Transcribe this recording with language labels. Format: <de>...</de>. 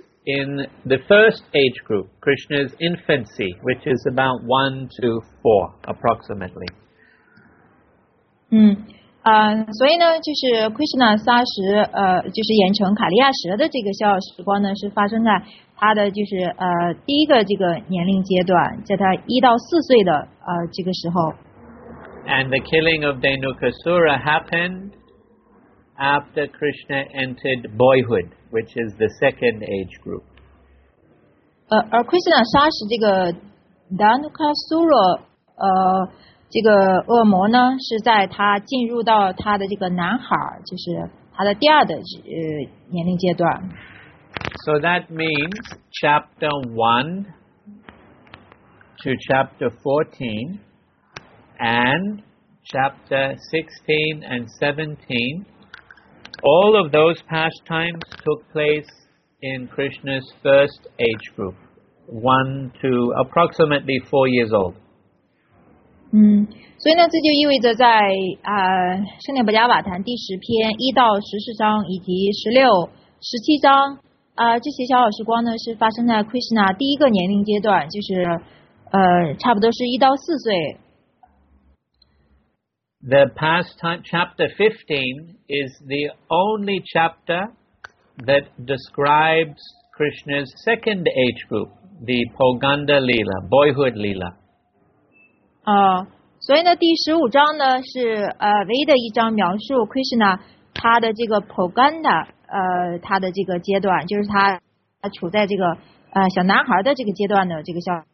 <en>in the first age group, Krishna's infancy, which is about 1 to 4, approximately.</en> <zh>所以呢，就是 Krishna 萨什，就是演成卡利亚什的这个小时光呢，是发生在他的就是第一个这个年龄阶段，在他一到四岁的这个时候。</zh> <en>And the killing of Dhenukasura happened after Krishna entered boyhood, which is the second age group.</en> <zh>而 Krishna 萨什这个 Dhenukasura 这个恶魔呢，是在他进入到他的这个男孩，就是他的第二的年龄阶段。</zh> <en>So that means chapter 1 to chapter 14 and chapter 16 and 17, all of those pastimes took place in Krishna's first age group, 1 to approximately 4 years old.</en> <zh>所以呢，这就意味着在圣殿布加瓦坛第十篇一到十四章以及十六、十七章这些小小时光呢，是发生在 Krishna 第一个年龄阶段，就是差不多是一到四岁。</zh> <en>The past time, chapter 15 is the only chapter that describes Krishna's second age group, the Pauganda Leela, boyhood Leela.</en> <zh>所以呢，第十五章呢是唯一的一章描述 Krishna 他的这个 Pauganda 他的这个阶段，就是他处在这个小男孩的这个阶段的这个小。</zh>